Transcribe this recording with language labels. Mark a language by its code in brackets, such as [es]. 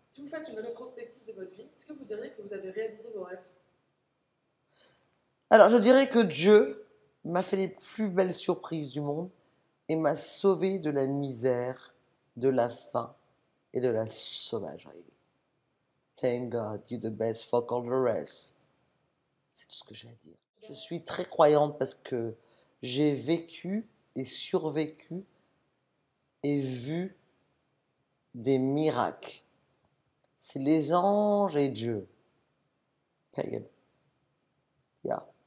[fr] Si vous faites une rétrospective de votre vie, est-ce que vous diriez que vous avez réalisé vos rêves? Alors, je dirais que Dieu m'a fait les plus belles surprises du monde. Et m'a sauvé de la misère, de la faim et de la sauvagerie. [en] Thank God, you're the best, fuck all the rest. [fr] C'est tout ce que j'ai à dire. Je suis très croyante parce que j'ai vécu et survécu et vu des miracles. C'est les anges et Dieu. Pagan. Yeah.